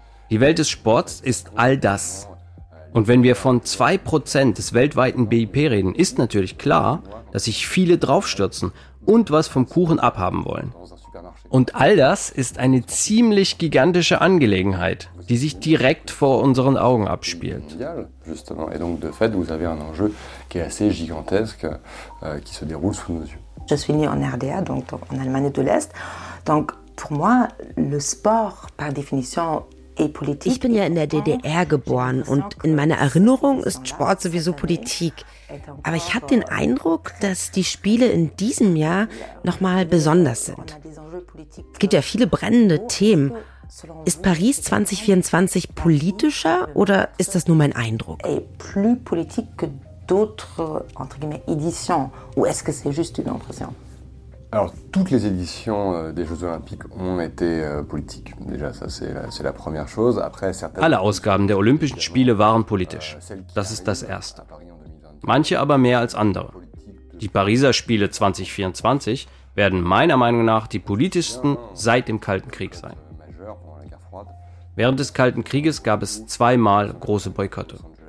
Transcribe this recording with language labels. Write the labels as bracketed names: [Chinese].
[German] Die Welt des Sports ist all das. Und wenn wir von 2% des weltweiten BIP reden, ist natürlich klar, dass sich viele draufstürzen und was vom Kuchen abhaben wollen. Und all das ist eine ziemlich gigantische Angelegenheit, die sich direkt vor unseren Augen abspielt. [French] Justement, et donc de fait, vous avez un enjeu qui est assez gigantesque, qui se déroule sous nos yeux. Je suis née en RDA, donc en Allemagne de l'Est. Donc pour moi, le sport par définition est politique. [German] Ich bin ja in der DDR geboren und in meiner Erinnerung ist Sport sowieso Politik. Aber ich habe den Eindruck, dass die Spiele in diesem Jahr nochmal besonders sind. Es gibt ja viele brennende Themen. Ist Paris 2024 politischer oder ist das nur mein Eindruck? [French] Plus politique que d'autres entre guillemets éditions ou est-ce que c'est juste une impression? Alors toutes les éditions des Jeux Olympiques ont été politiques. Déjà ça c'est la première chose. Après certaines. [German] Alle Ausgaben der Olympischen Spiele waren politisch. Das ist das Erste. Manche aber mehr als andere. Die Pariser Spiele 2024 werden meiner Meinung nach die politischsten seit dem Kalten Krieg sein. Während des Kalten Krieges gab es zweimal große Boykotte.